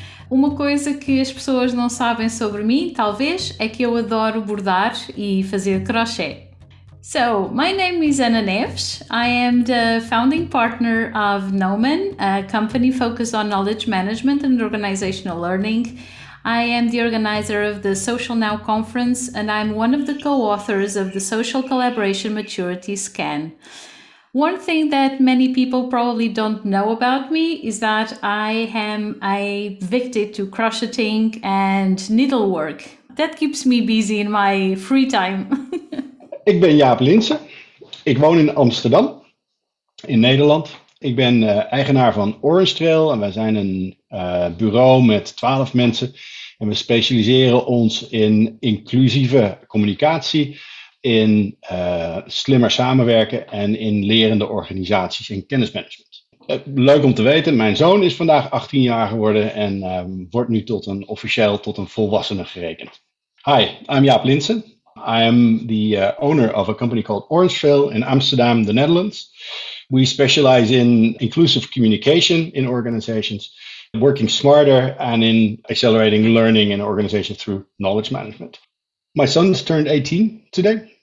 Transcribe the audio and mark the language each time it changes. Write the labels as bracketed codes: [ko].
[pt] Uma coisa que as pessoas não sabem sobre mim, talvez, é que eu adoro bordar e fazer crochê. [en] So, my name is Ana Neves. I am the founding partner of Noman, a company focused on knowledge management and organizational learning. I am the organizer of the Social Now conference, and I'm one of the co-authors of the Social Collaboration Maturity Scan. One thing that many people probably don't know about me is that I am addicted to crocheting and needlework. That keeps me busy in my free time. [nl] Ik ben Jaap Linssen. Ik woon in Amsterdam, in Nederland. Ik ben eigenaar van Orange Trail en wij zijn een bureau met 12 mensen. En we specialiseren ons in inclusieve communicatie, in slimmer samenwerken en in lerende organisaties en kennismanagement. Leuk om te weten, mijn zoon is vandaag 18 jaar geworden en wordt nu officieel tot een volwassene gerekend. [en] Hi, I'm Jaap Linssen. I am the owner of a company called Orange Trail in Amsterdam, the Netherlands. We specialize in inclusive communication in organizations, working smarter and in accelerating learning in organizations through knowledge management. My son's turned 18 today.